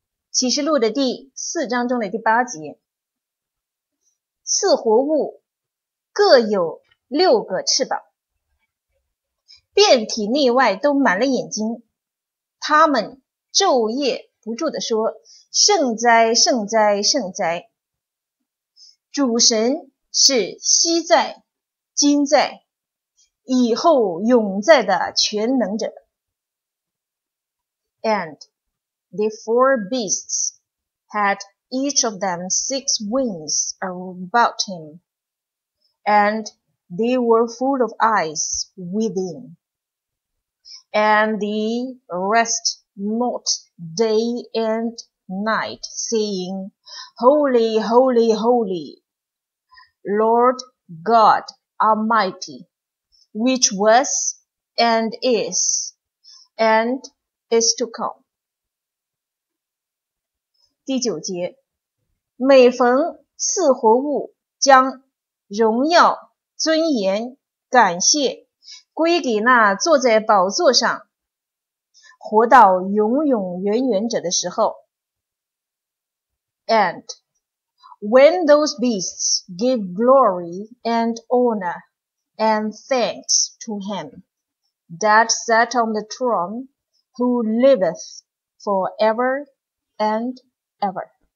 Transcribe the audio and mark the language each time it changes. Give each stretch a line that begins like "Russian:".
Chinese: 启示录的第四章中的第八节，四活物各有六个翅膀，遍体内外都满了眼睛，他们昼夜不住地说，圣哉圣哉圣哉，主神是昔在今在以后永在的全能者。
English: And the four beasts had each of them six wings about him, and they were full of eyes within, and the rest not day and night, saying, Holy, holy, holy, Lord God Almighty, which was and is to come.
Chinese: 第九节，每逢四活物将荣耀、尊严、感谢归给那坐在宝座上活到永永远远者的时候。
English: And when those beasts give glory and honor and thanks to him that sat on the throne who liveth forever and ever.